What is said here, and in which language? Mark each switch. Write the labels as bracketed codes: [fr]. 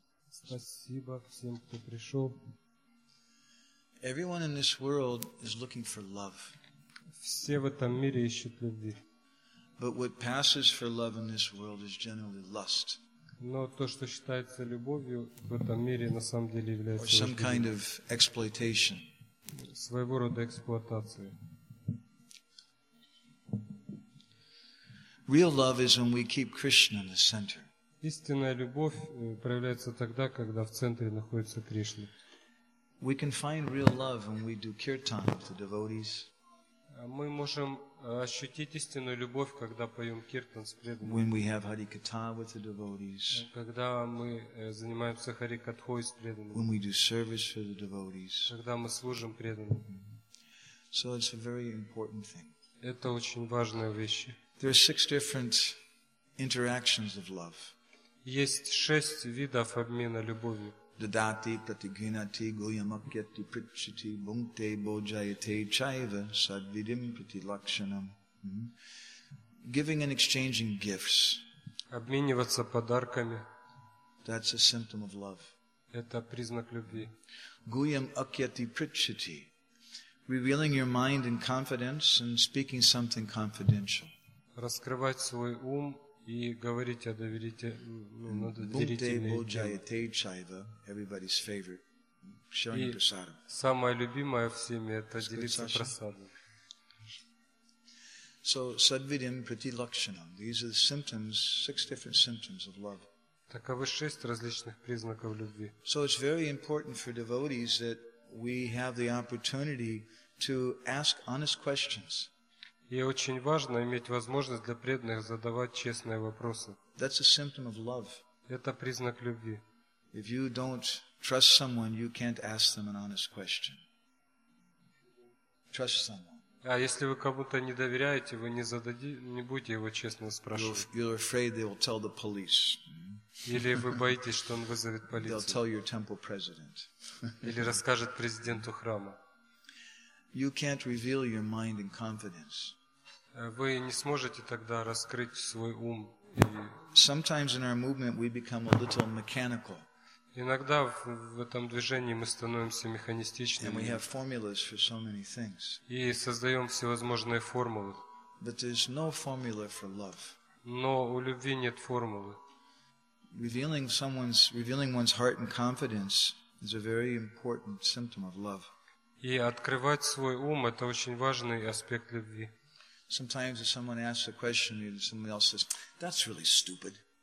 [ru] Спасибо всем, кто пришел. [en] Everyone in this world is looking for love. [ru] Все в этом мире ищут любви. [en] But what passes for love in this world is generally lust. [ru] Но то, что считается любовью в этом мире, на самом деле является [en] Or some kind of exploitation. [ru] Своего рода эксплуатация. [en] Real love is when we keep Krishna in the center. [ru] Истинная любовь проявляется тогда, когда в центре находится Кришна. [en] We can find real love when we do kirtan with the devotees. [ru] Мы можем ощутить истинную любовь, когда поем киртан с преданными. [en] When we have harikatha with the devotees. [ru] Когда мы занимаемся харикатхой с преданными. [en] When we do service for the devotees. [ru] Когда мы служим преданным. [en] So it's a very important thing. [ru] Это очень важная вещь. [en] There are six different interactions of love. [ru] Есть шесть видов обмена любовью. [sa] Dadati, pratiginati, guyamakyati, pritchiti, bhunkte, bojayate, chaiva, sadvidim, pratilakshanam. [en] Giving and exchanging gifts. [ru] Обмениваться подарками. [en] That's a symptom of love. [ru] Это признак любви. [sa] Guyam akyati pritchiti. [en] Revealing your mind in confidence and speaking something confidential. [ru] Раскрывать свой ум и говорить о доверительной теме. [en] Everybody's favorite. Sharing prasadam. [ru] Самое любимое всеми — это делиться прасадом. [sa] So sadvidim pratilakshanam. [en] These are the symptoms, six different symptoms of love. [ru] Таковы шесть различных признаков любви. [en] So it's very important for devotees that we have the opportunity to ask honest questions. [ru] И очень важно иметь возможность для преданных задавать честные вопросы. [en] That's a symptom of love. [ru] Это признак любви. [en] If you don't trust someone, you can't ask them an honest question. Trust someone. [ru] А если вы кому-то не доверяете, вы не будете его честно спрашивать. [en] You're afraid they will tell the police. [ru] Или вы боитесь, что он вызовет полицию. [en] They'll tell your temple president. [ru] Или расскажет президенту храма. [en] You can't reveal your mind in confidence. [ru] Вы не сможете тогда раскрыть свой ум. [en] Sometimes in our movement we become a little mechanical. [ru] Иногда в этом движении мы становимся механистичными. [en] And we have formulas for so many things. [ru] И создаем всевозможные формулы. [en] But there's no formula for love. [ru] Но у любви нет формулы. [en] Revealing one's heart in confidence is a very important symptom of love. [ru] И открывать свой ум — это очень важный аспект любви. [en] Sometimes if someone asks a question, somebody else says, "That's really stupid."